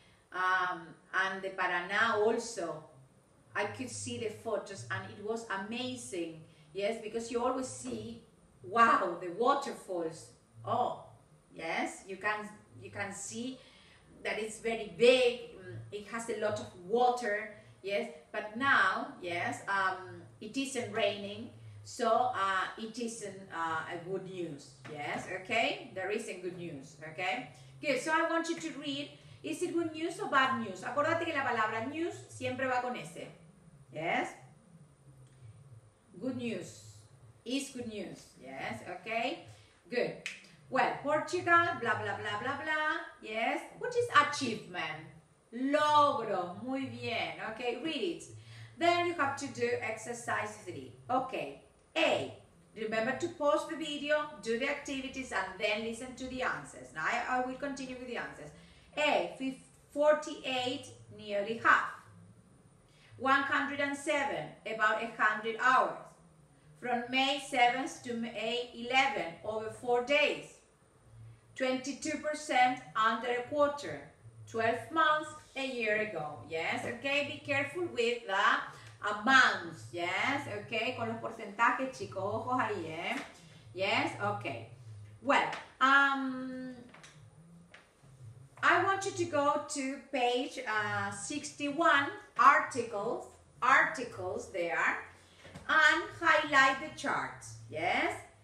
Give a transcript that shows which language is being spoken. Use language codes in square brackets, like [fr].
[en] And the Paraná also, I could see the photos and it was amazing, yes, because you always see, wow, the waterfalls, oh, yes, you can see that it's very big, it has a lot of water, yes, but now, yes, it isn't raining, so it isn't a good news, yes, okay, there isn't good news, okay, good, so I want you to read. Is it good news or bad news? [es] Acordate que la palabra news siempre va con S. [en] Yes? Good news. Is good news. Yes? Okay? Good. Well, Portugal, blah, blah, blah, blah, blah. Yes? What is achievement? [es] Logro. Muy bien. [en] Okay? Read it. Then you have to do exercise 3. Okay. A. Remember to pause the video, do the activities, and then listen to the answers. Now I will continue with the answers. A, 48, nearly half. 107, about 100 hours. from May 7th to May 11th, over 4 days. 22% under a quarter, 12 months a year ago. Yes, okay, be careful with the amounts. Yes, okay, [es] con los porcentajes, chicos, ojos ahí, eh. [en] Yes, okay. Well, I want you to go to page 61, articles there, and highlight the chart. Yes?